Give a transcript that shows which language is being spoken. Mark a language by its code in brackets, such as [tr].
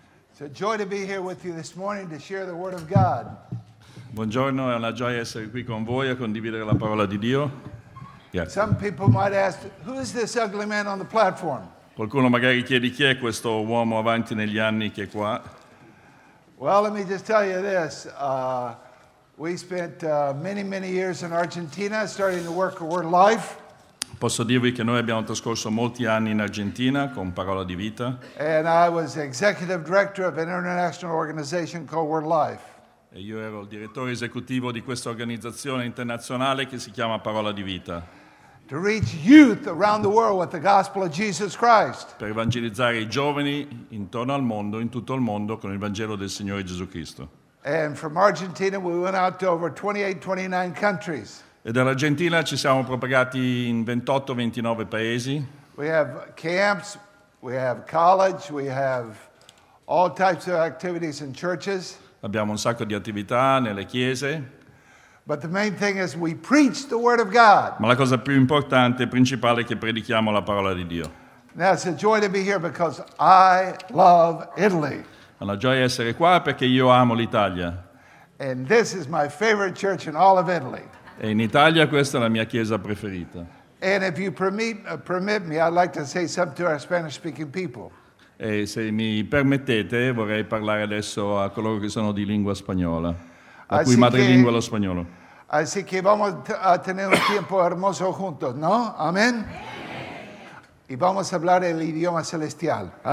[en] It's a joy to be here with you this morning to share the Word of God. [it] Buongiorno, è una gioia essere qui con voi a condividere la parola di Dio. [en] Some people might ask, who is this ugly man on the platform? [it] Qualcuno magari chiede chi è questo uomo avanti negli anni che è qua. [en] Well, let me just tell you this. We spent many years in Argentina starting to work a Word Life. [it] Posso dirvi che noi abbiamo trascorso molti anni in Argentina con Parola di Vita. [en] And I was executive director of an international organization called Word Life. [it] E io ero il direttore esecutivo di questa organizzazione internazionale che si chiama Parola di Vita. [en] To reach youth around the world with the gospel of Jesus Christ. [it] Per evangelizzare i giovani intorno al mondo, in tutto il mondo, con il Vangelo del Signore Gesù Cristo. [en] And from Argentina we went out to over 28-29 countries. [it] E dall'Argentina ci siamo propagati in 28-29 paesi. [en] We have camps, we have college, we have all types of activities in churches. [it] Abbiamo un sacco di attività nelle chiese. [en] But the main thing is we preach the word of God. [it] Ma la cosa più importante e principale è che predichiamo la parola di Dio. [en] Now it's a joy to be here because I love Italy. [it] È una gioia essere qua perché io amo l'Italia. [en] And this is my favorite church in all of Italy. [it] E in Italia questa è la mia chiesa preferita. [en] And if you permit me, I'd like to say something to our Spanish-speaking people. [it] E se mi permettete, vorrei parlare adesso a coloro che sono di lingua spagnola, la cui madrelingua è lo spagnolo. [es] Así que vamos a tener un tiempo hermoso juntos, ¿no? Amén. Y vamos a hablar el idioma celestial.